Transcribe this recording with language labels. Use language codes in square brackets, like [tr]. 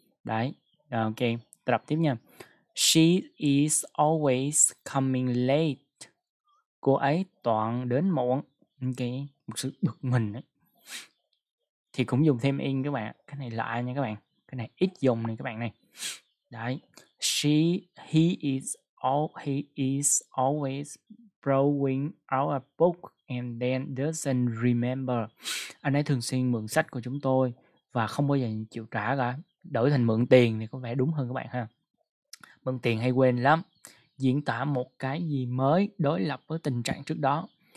[vi] Đấy, ok, tập tiếp nha. [en] She is always coming late. [vi] Cô ấy toàn đến muộn. Ok, một sự bực mình ấy. Thì cũng dùng thêm in các bạn. Cái này lạ nha các bạn. Cái này ít dùng này các bạn này. Đấy. [en] He is always borrowing our book and then doesn't remember. [vi] Anh ấy thường xuyên mượn sách của chúng tôi và không bao giờ chịu trả cả. Đổi thành mượn tiền thì có vẻ đúng hơn các bạn ha. Mượn tiền hay quên lắm. Diễn tả một cái gì mới đối lập với tình trạng trước đó.